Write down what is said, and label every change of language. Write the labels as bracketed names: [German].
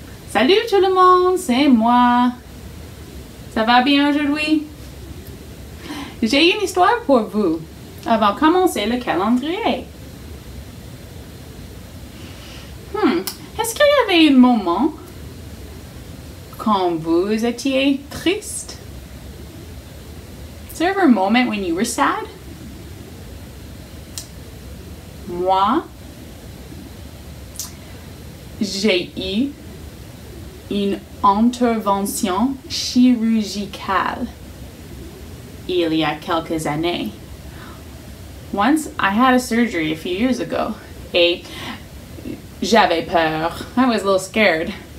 [French] Salut tout le monde, c'est moi. Ça va bien aujourd'hui? J'ai une histoire pour vous avant de commencer le calendrier. Est-ce qu'il y avait un moment quand vous étiez triste? [English] Is there ever a moment when you were sad? [French] Moi, j'ai eu une intervention chirurgicale il y a quelques années. [English] Once I had a surgery a few years ago, [French] et j'avais peur. [English] I was a little scared.